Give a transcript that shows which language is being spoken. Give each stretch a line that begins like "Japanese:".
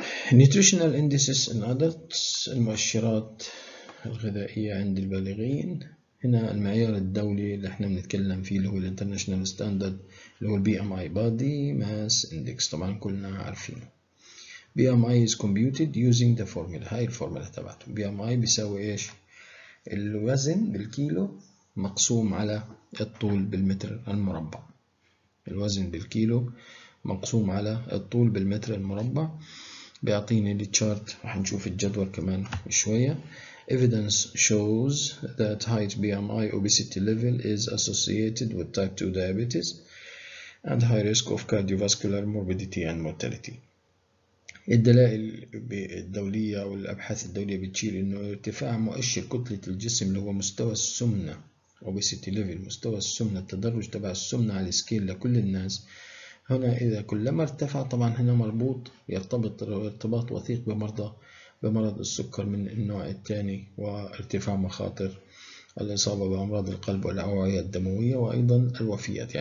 English: Nutritional Indices in Adults،
Arabic: المؤشرات الغذائية عند البالغين. هنا المعيار الدولي اللي احنا بنتكلم فيه اللي هو الـ International Standard اللي هو الـ BMI Body Mass Index، طبعا كلنا عارفينه.
English: BMI is computed using the formula،
Arabic: هاي الفورمولا تبعته. BMI بيساوي ايش؟ الوزن بالكيلو مقسوم على الطول بالمتر المربع. الوزن بالكيلو مقسوم على الطول بالمتر المربع، بيعطيني التشارت، راح نشوف الجدول كمان شوية.
English: Evidence shows that height BMI obesity level is associated with type 2 diabetes and high risk of cardiovascular morbidity and mortality.
Arabic: الدلائل الدولية والأبحاث الدولية بتشير إنه ارتفاع مؤشر كتلة الجسم اللي هو مستوى السمنة obesity level، مستوى السمنة، التدرج تبع السمنة على السكيل لكل الناس، هنا إذا كلما ارتفع طبعا هنا مربوط يرتبط ارتباط وثيق بمرضى بمرض السكر من النوع الثاني وارتفاع مخاطر الإصابة بأمراض القلب والأوعية الدموية وأيضا الوفيات.